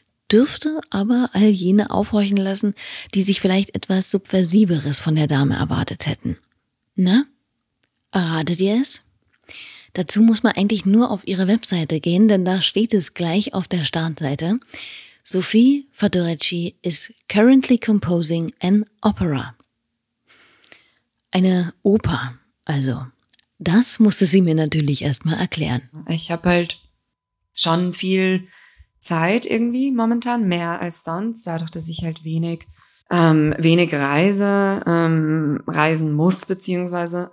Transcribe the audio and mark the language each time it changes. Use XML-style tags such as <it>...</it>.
<de>Dürfte aber all jene aufhorchen lassen, die sich vielleicht etwas Subversiveres von der Dame erwartet hätten. Na, erratet ihr es? Dazu muss man eigentlich nur auf ihre Webseite gehen, denn da steht es gleich auf der Startseite.</de> <en>Sophie Fadorecci is currently composing an opera.</en> <de>Eine Oper, also. Das musste sie mir natürlich erstmal erklären. Ich habe halt schon viel Zeit irgendwie momentan, mehr als sonst, dadurch, dass ich halt wenig reisen muss, beziehungsweise.</de>